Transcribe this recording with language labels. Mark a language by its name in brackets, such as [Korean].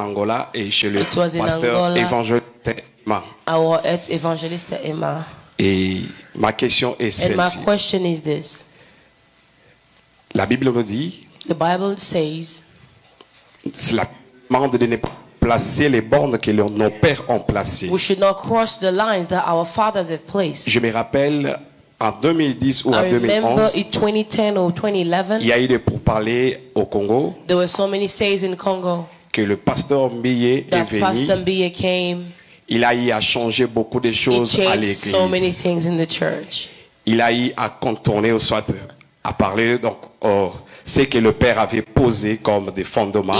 [French] En Angola et chez le pasteur évangéliste. Ma. [English] Our evangelist Emma. [French] Et ma question est celle-ci. [English] And my question is this. [French] La Bible nous dit. [English] The Bible says. [French] Cela demande de ne pas placer les bornes que nos pères ont placées. [English] We should not cross the lines that our fathers have placed. [French] Je me rappelle en 2010 ou [English] I [French] en 2011. [English] Remember in 2010 or 2011. [French] Il y a eu des pourparlers au Congo. [English] There were so many says in Congo. [French] Que le pasteur Mbie est venu. [English] That Pastor Mbie came. [French] Il a eu à changer beaucoup de choses à l'église. [English] So many things in the church. [French] Il a eu à contourner ou soit à parler donc ce que le père avait posé comme des fondements.